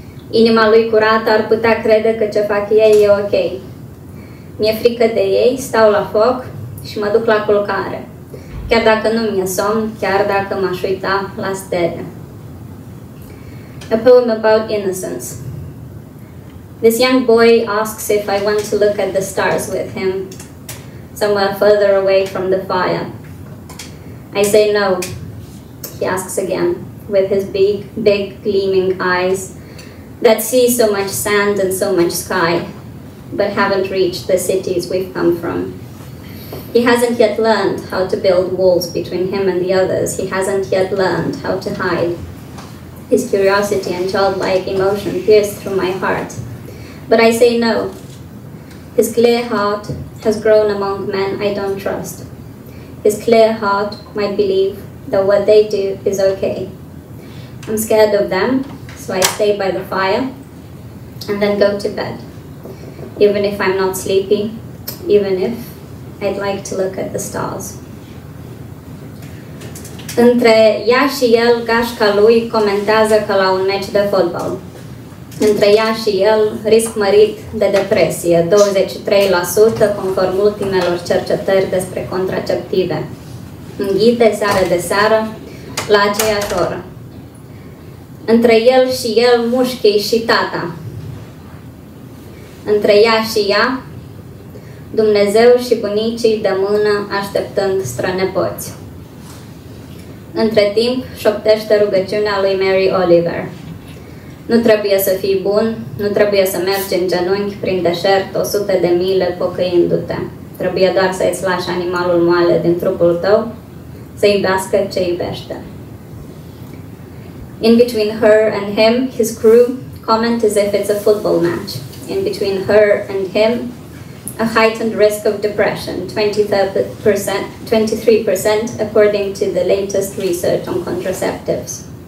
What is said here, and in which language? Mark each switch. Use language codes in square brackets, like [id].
[ro] Inima lui curată ar putea crede că ce fac ei e ok. Mi-e frică de ei, stau la foc și mă duc la culcare, chiar dacă nu mi-e somn, chiar dacă m-aș uita la stele. [en] A poem about innocence. This young boy asks if I want to look at the stars with him, somewhere further away from the fire. I say no, he asks again, with his big, big gleaming eyes that see so much sand and so much sky, but haven't reached the cities we've come from. He hasn't yet learned how to build walls between him and the others. He hasn't yet learned how to hide. His curiosity and childlike emotion pierce through my heart. But I say no. His clear heart has grown among men I don't trust. His clear heart might believe that what they do is okay. I'm scared of them, so I stay by the fire and then go to bed. Even if I'm not sleepy, even if I'd like to look at the stars. [ro] Între ea și el, gașca lui comentează că la un meci de fotbal. Între ea și el, risc mărit de depresie, 23% conform ultimelor cercetări despre contraceptive. Înghite seară de seară, la aceeași oră. Între el și el, mușchii și tata. Între ea și ea, Dumnezeu și bunicii de mână așteptând strănepoți. Între timp, șoptește rugăciunea lui Mary Oliver. Nu trebuie să fii bun, nu trebuie să mergi în genunchi prin deșert 100 de mile pocăindu-te. Trebuie doar să îți lași animalul moale din trupul tău să iubească ce iubește. [en] In between her and him, his crew comment as if it's a football match. In between her and him, a heightened risk of depression, 23% according to the latest research on contraceptives.